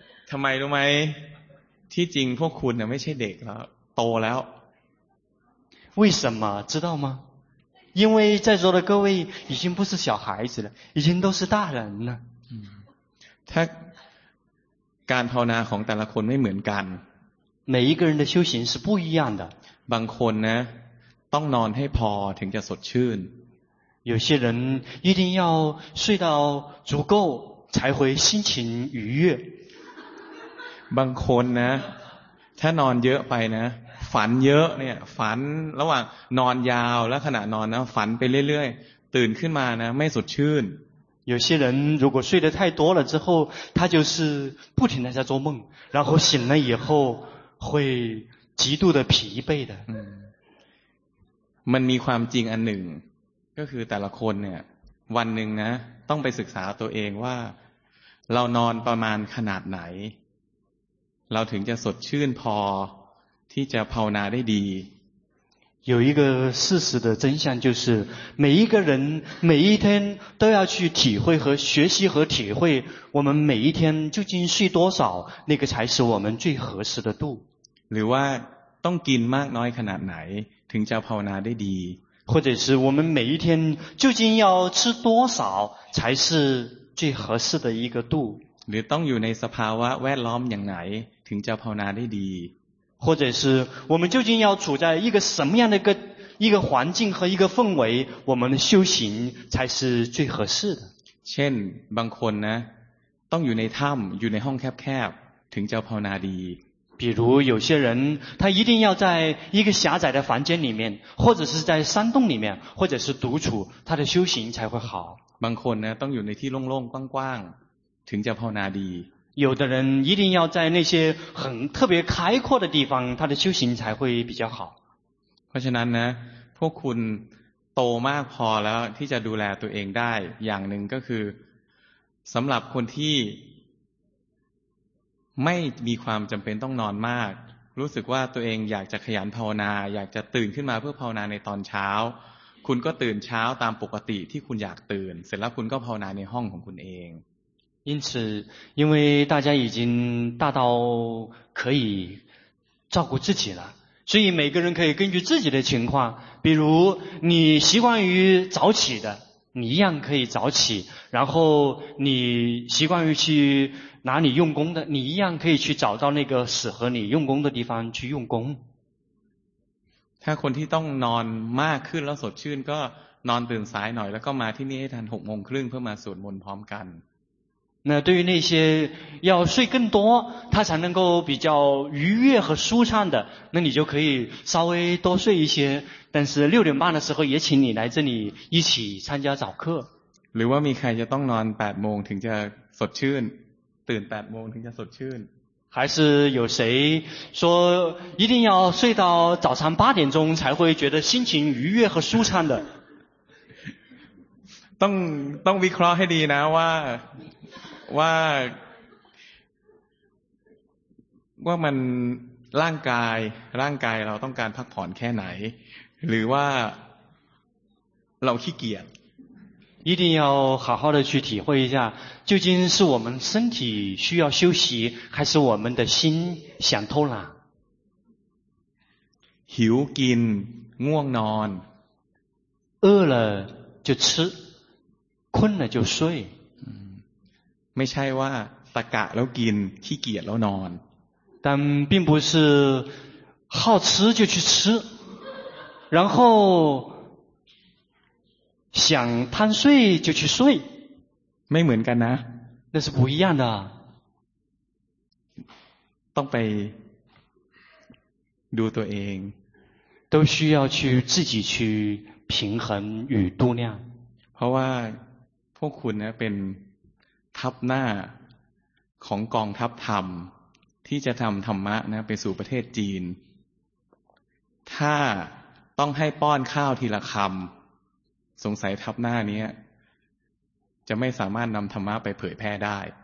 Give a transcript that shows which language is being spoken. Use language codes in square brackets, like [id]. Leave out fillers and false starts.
[th] ทำไมรู้ไหมที่จริงพวกคุณเนี่ยไม่ใช่เด็กแล้วโตแล้ว [zh] 为什么知道吗因为在座的各位已经不是小孩子了已经都是大人了 [th] ถ้าการภาวนาของแต่ละคนไม่เหมือนกัน [zh] 每一个人的修行是不一样的 [th] บางคนนะต้องนอนให้พอถึงจะสดชื่น [zh] 有些人一定要睡到足够才会心情愉悦 [th] บางคนนะถ้านอนเยอะไปนะฝันเยอะเนี่ยฝันระหว่างนอนยาวและขณะนอนนะฝันไปเรื่อยๆตื่นขึ้นมานะไม่สดชื่น [zh] 有些人如果睡得太多了之后他就是不停地在做梦然后醒了以后会极度的疲惫的 [th] มันมีความจริงอันหนึ่งก็คือแต่ละคนเนี่ยวันหนึ่งนะต้องไปศึกษาตัวเองว่าเรานอนประมาณขนาดไหนเราถึงจะสดชื่นพอที่จะภาวนาได้ดี [zh] 有一个事实的真相就是每一个人每一天都要去体会和学习和体会我们每一天究竟睡多少那个才是我们最合适的度 [th] หรือว่าต้องกินมากน้อยขนาดไหนถึงจะภาวนาได้ดี [zh] 或者是我们每一天究竟要吃多少才是最合适的一个度 [th] หรือต้องอยู่ในสภาวะแวดล้อมอย่างไหนถึงจะภาวนาได้ดี [zh] 或者是我们究竟要处在一个什么样的一个环境和一个氛围我们的修行才是最合适的 [th] เช่นบางคนนะต้องอยู่ในถ้ำอยู่ในห้องแคบๆถึงจะภาวนาดี [zh] 比如有些人他一定要在一个狭窄的房间里面或者是在山洞里面或者是独处他的修行才会好 [th] บางคนนะต้องอยู่ในที่โล่งๆกว้างๆถึงจะภาวนาดี [zh] 有的人一定要在那些很特别开阔的地方他的修行才会比较好 [th] เพราะฉะนั้นนะพวกคุณโตมากพอแล้วที่จะดูแลตัวเองได้อย่างหนึ่งก็คือสำหรับคนที่ไม่มีความจำเป็นต้องนอนมากรู้สึกว่าตัวเองอยากจะขยันภาวนาอยากจะตื่นขึ้นมาเพื่อภาวนาในตอนเช้าคุณก็ตื่นเช้าตามปกติที่คุณอยากตื่นเสร็จแล้วคุณก็ภาวนาในห้องของคุณเอง [zh] 因此因为大家已经大到可以照顾自己了所以每个人可以根据自己的情况比如你习惯于早起的你一样可以早起然后你习惯于去哪里用功的你一样可以去找到那个适合你用功的地方去用功 [th] ถ้าคนที่ต้องนอนมากขึ้นแล้วสดชื่นก็นอนตื่นสายหน่อยแล้วก็มาที่นี่ให้ทัน 6:30 นเพื่อมาสวดมนต์พร้อมกัน [zh] 那对于那些要睡更多他才能够比较愉悦和舒畅的那你就可以稍微多睡一些但是6点半的时候也请你来这里一起参加早课 [th] หรือว่ามีใครจะต้องนอน 8:00 นถึงจะสดชื่นตื่น 8:00 นถึงจะสดชื่น [zh] 还是有谁说一定要睡到早上8点钟才会觉得心情愉悦和舒畅的 [th] ต้องวิเคราะห์ให้ดีนะว่ามันร่างกายเราต้องการพักผ่อนแค่ไหนหรือว่าเราขี้เกียจ [zh] 一定要好好的去体会一下究竟是我们身体需要休息还是我们的心想偷懒 [th] หิวกินง่วงนอน [zh] 饿了就吃困了就睡 [th] ไม่ใช่ว่าตะกะแล้วกินขี้เกียจแล้วนอน [zh] 但并不是好吃就去吃然后想贪睡就去睡， [th] ไม่เหมือนกันนะ [zh] 那是不一样的， [th] ต้องไปดูตัวเอง [zh] 都需要去自己去平衡与度量， [th] เพราะว่าพวกคุณเนี่ยเป็นทัพหน้าของกองทัพธรรมที่จะทำธรรมะนะไปสู่ประเทศจีนถ้าต้องให้ป้อนข้าวทีละคำสงสัยทัพหน้านี้จะไม่สามารถนำธรรมะไปเผยแพร่ได้